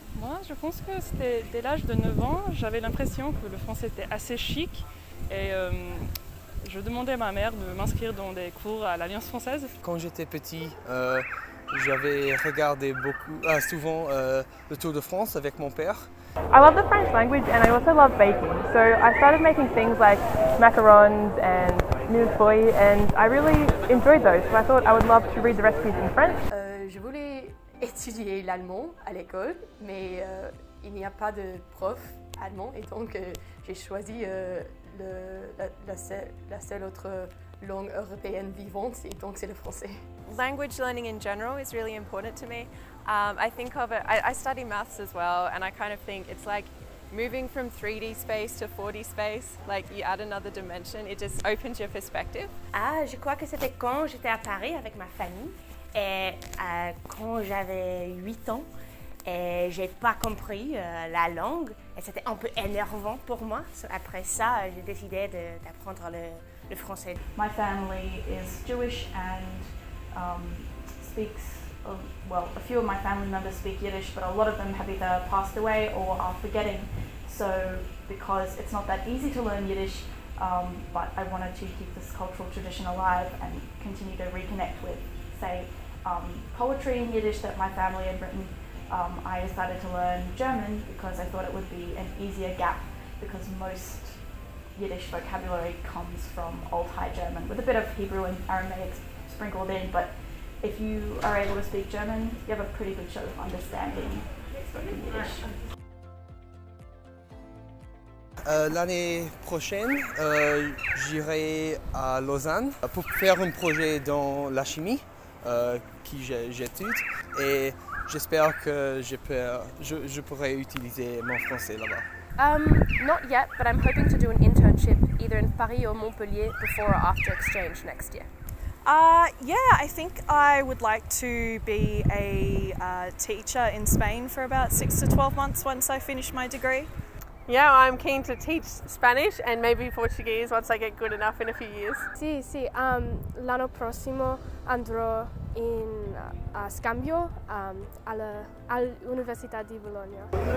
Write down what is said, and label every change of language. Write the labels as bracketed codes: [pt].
[fr] Moi, je pense que c'était dès l'âge de 9 ans, j'avais l'impression que le français était assez chic et je demandais à ma mère de m'inscrire dans des cours à l'Alliance française. Quand j'étais petit, j'avais regardé beaucoup, souvent le Tour de France avec mon père. [en] I love the French language and I also love baking. So I started making things like macarons and millefeuille and I really enjoyed those. So I thought I would love to read the recipes in French. [fr] Je voulais étudier l'allemand à l'école, mais il n'y a pas de prof allemand et donc j'ai choisi la seule autre langue européenne vivante et donc c'est le français. [en] Language learning in general is really important to me. I think of it, I study maths as well, and I kind of think it's like moving from 3D space to 4D space, like you add another dimension, it just opens your perspective. [fr] Ah, je crois que c'était quand j'étais à Paris avec ma famille. Et quand j'avais 8 ans, et j'ai pas compris la langue, et c'était un peu énervant pour moi. Après ça, j'ai décidé d'apprendre le français. [en] My family is Jewish and speaks, well, a few of my family members speak Yiddish, but a lot of them have either passed away or are forgetting. So, because it's not that easy to learn Yiddish, but I wanted to keep this cultural tradition alive and continue to reconnect with, say, poetry in Yiddish that my family had written. I decided to learn German because I thought it would be an easier gap because most Yiddish vocabulary comes from Old High German with a bit of Hebrew and Aramaic sprinkled in, but if you are able to speak German, you have a pretty good show of understanding spoken Yiddish. [fr] L'année prochaine, j'irai à Lausanne pour faire un projet dans la chimie. Qui j'étudie et j'espère que je pourrai utiliser mon français là-bas. [en] Not yet, but I'm hoping to do an internship either in Paris or Montpellier before or after exchange next year. Yeah, I think I would like to be a teacher in Spain for about 6 to 12 months once I finish my degree. Yeah, I'm keen to teach Spanish and maybe Portuguese once I get good enough in a few years. [es] Sí, sí. [it] L'anno prossimo andrò in scambio all'Università di Bologna.